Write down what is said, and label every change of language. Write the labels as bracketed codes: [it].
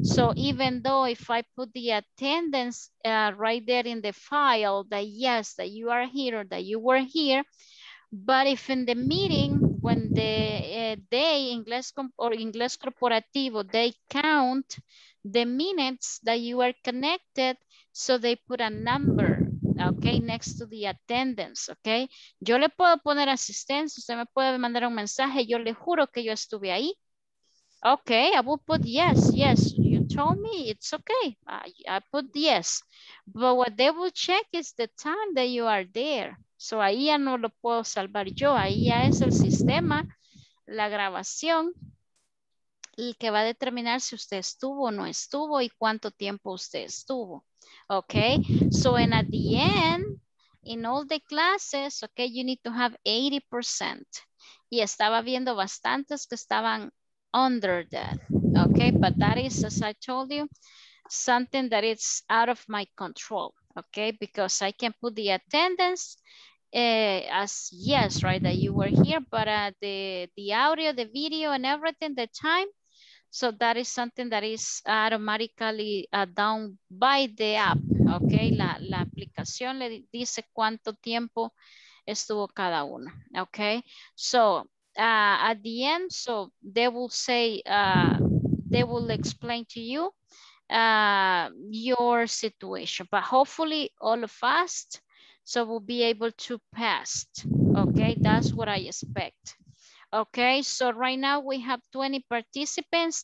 [en] So even though if I put the attendance right there in the file that yes, that you are here or that you were here, but if in the meeting, when the day Inglés Corporativo, they count the minutes that you are connected, so they put a number, okay, next to the attendance, okay? [es] Yo le puedo poner asistencia, usted me puede mandar un mensaje, yo le juro que yo estuve ahí. [en] Okay, I will put yes, yes, you told me, it's okay, I put yes. But what they will check is the time that you are there. [es] So ahí ya no lo puedo salvar yo, ahí ya es el sistema, la grabación, y que va a determinar si usted estuvo o no estuvo y cuánto tiempo usted estuvo. [en] Okay, so and at the end, in all the classes, okay, you need to have 80%. [es] Y estaba viendo bastantes que estaban [en] under that, okay? But that is, as I told you, something that is out of my control, okay? Because I can put the attendance as yes, right, that you were here, but the audio, the video, and everything, the time, so that is something that is automatically down by the app, okay? [es] La aplicación le dice cuánto tiempo estuvo cada uno, okay? [en] So at the end, so they will say, they will explain to you your situation, but hopefully all of us, so we'll be able to pass, okay? That's what I expect. Okay, so right now we have 20 participants.